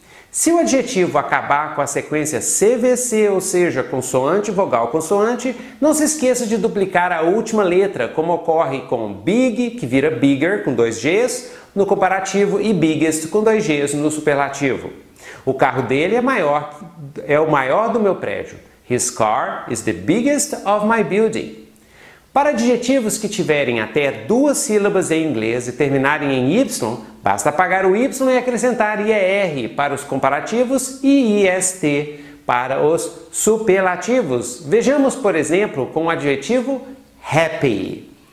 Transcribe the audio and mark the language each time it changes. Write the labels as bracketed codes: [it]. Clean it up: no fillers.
[pt] Se o adjetivo acabar com a sequência CVC, ou seja, consoante, vogal, consoante, não se esqueça de duplicar a última letra, como ocorre com big, que vira bigger, com dois Gs, no comparativo, e biggest, com dois Gs, no superlativo. O carro dele é o maior do meu prédio. [en] His car is the biggest of my building. [pt] Para adjetivos que tiverem até duas sílabas em inglês e terminarem em Y, basta apagar o Y e acrescentar IER para os comparativos e IST para os superlativos. Vejamos, por exemplo, com o adjetivo happy.